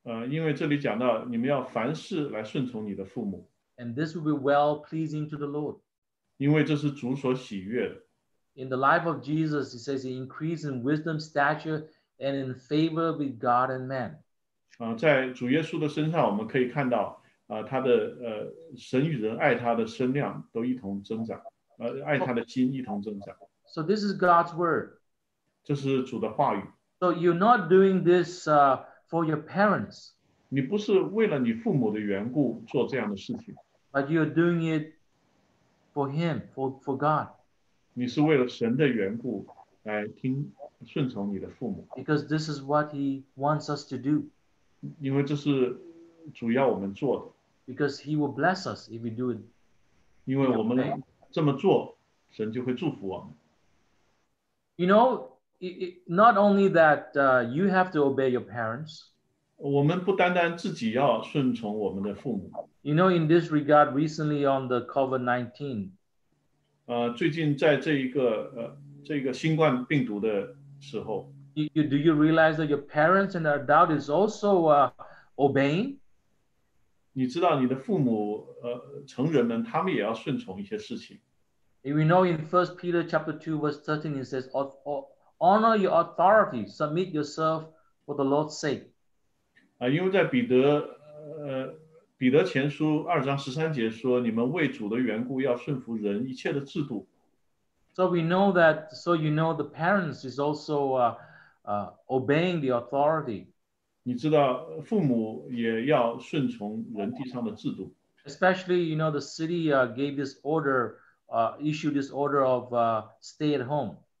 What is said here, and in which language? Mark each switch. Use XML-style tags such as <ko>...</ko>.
<zh>因为这里讲到你们要凡事来顺从你的父母。</zh> <en>And this will be well pleasing to the Lord.</en> <zh>因为这是主所喜悦的。</zh> <en>In the life of Jesus, he says he increased in wisdom, stature, and in favor with God and man.</en> <zh>在主耶稣的身上，我们可以看到，他的神与人爱他的身量都一同增长，爱他的心一同增长。</zh> <en>So this is God's word.</en> <zh>这是主的话语。</zh> <en>So you're not doing this for your parents.</en> <zh>你不是为了你父母的缘故做这样的事情。</zh> <en>But you're doing it for Him, for God.</en> <zh>你是为了神的缘故来听顺从你的父母。</zh> <en>Because this is what He wants us to do.</en> <zh>因为这是主要我们做的。</zh> <en>Because He will bless us if we do it.</en> <zh>因为我们这么做，神就会祝福我们。</zh> <en>You know, not only that you have to obey your parents.</en> <zh>我们不单单自己要顺从我们的父母。</zh> <en>You know, in this regard, recently on the COVID-19.</en> <zh>最近在这一个这个新冠病毒的时候。</zh> <en>Do you realize that your parents and the adult is also obeying?</en> <zh>你知道你的父母成人们他们也要顺从一些事情。</zh> <en>We know in 1 Peter chapter 2 verse 13, it says, honor your authority, submit yourself for the Lord's sake.</en> <zh>因为在彼得前书二章十三节说，你们为主的缘故要顺服人一切的制度。</zh> <en>So we know that, so you know the parents is also obeying the authority.</en> <zh>你知道父母也要顺从人地上的制度。</zh> <en>Especially, you know, the city gave this order,issued this order of stay at home.</en>